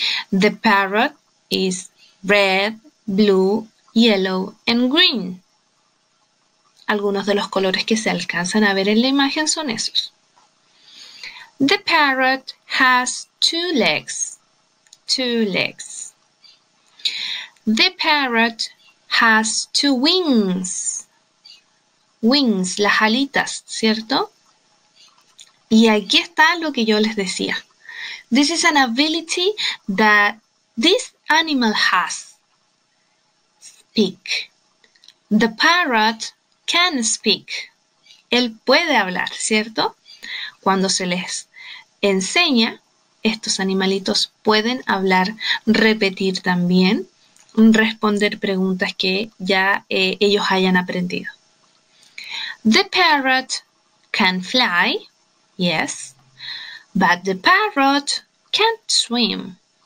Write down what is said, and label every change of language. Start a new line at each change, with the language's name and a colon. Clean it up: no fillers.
English: The parrot is red, blue, yellow, and green.
Spanish: Algunos de los colores que se alcanzan a ver en la imagen son esos.
English: The parrot has two legs. Two legs. The parrot has two wings.
Spanish: Wings, las alitas, ¿cierto? Y aquí está lo que yo les decía.
English: This is an ability that this animal has. Speak. The parrot can speak.
Spanish: Él puede hablar, ¿cierto? Cuando se les enseña, estos animalitos pueden hablar, repetir también, responder preguntas que ya ellos hayan aprendido.
English: The parrot can fly, yes, but the parrot can't swim.